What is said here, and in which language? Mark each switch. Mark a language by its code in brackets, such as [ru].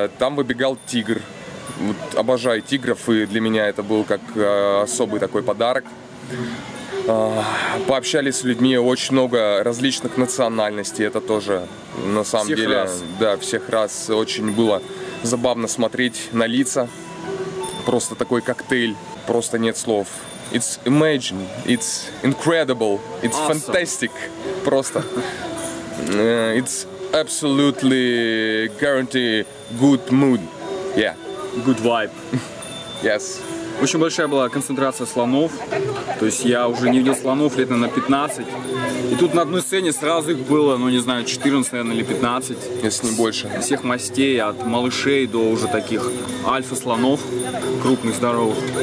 [ru] Там выбегал тигр. Вот, обожаю тигров, и для меня это был как особый такой подарок. Пообщались с людьми, очень много различных национальностей, это тоже на самом всех деле раз. Да, всех раз очень было забавно смотреть на лица, просто такой коктейль, просто нет слов. [en] It's amazing, it's incredible, it's awesome. Fantastic, просто. It's absolutely guarantee good mood, yeah. Good vibe. Yes. [ru] Очень большая была концентрация слонов, то есть я уже не видел слонов лет, наверное, 15. И тут на одной сцене сразу их было, ну не знаю, 14, наверное, или 15. Если не больше. Всех мастей, от малышей до уже таких альфа-слонов, крупных, здоровых.